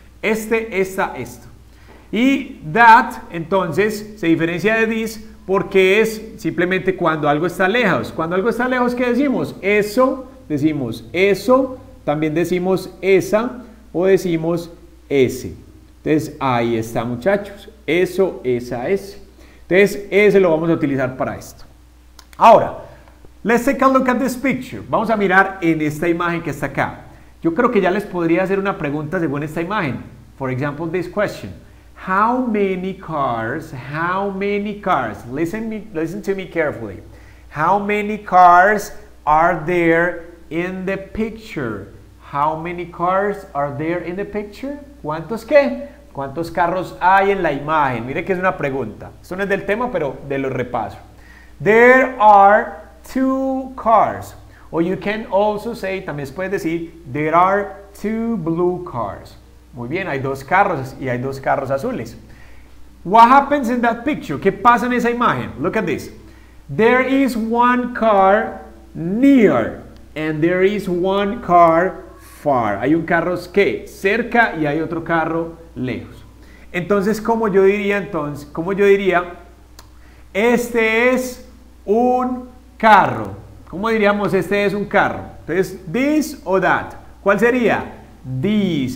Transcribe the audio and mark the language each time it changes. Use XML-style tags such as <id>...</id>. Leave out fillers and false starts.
<es>Este, esta, esto. Y that, entonces, se diferencia de this porque es simplemente cuando algo está lejos. Cuando algo está lejos, ¿qué decimos? Eso, decimos eso, también decimos esa, o decimos ese. Entonces, ahí está, muchachos. Eso, esa, ese. Entonces, ese lo vamos a utilizar para esto.</es> <en>Ahora, let's take a look at this picture.</en> <es>Vamos a mirar en esta imagen que está acá. Yo creo que ya les podría hacer una pregunta según esta imagen.</es> <en>For example, this question. How many cars? Listen to me carefully. How many cars are there in the picture? How many cars are there in the picture?</en> <es>¿Cuántos qué? ¿Cuántos carros hay en la imagen? Mire que es una pregunta. Esto no es del tema, pero de los repasos.</es> <en>There are two cars. Or you can also say,</en> <es>también se puede decir,</es> <en>there are two blue cars.</en> <es>Muy bien, hay dos carros y hay dos carros azules.</es> <en>What happens in that picture?</en> <es>¿Qué pasa en esa imagen?</es> <en>Look at this. There is one car near and there is one car far.</en> <es>Hay un carro que cerca y hay otro carro lejos. Entonces, ¿cómo yo diría entonces? ¿Cómo yo diría? Este es un carro. ¿Cómo diríamos este es un carro? Entonces, this o that. ¿Cuál sería? This.</es>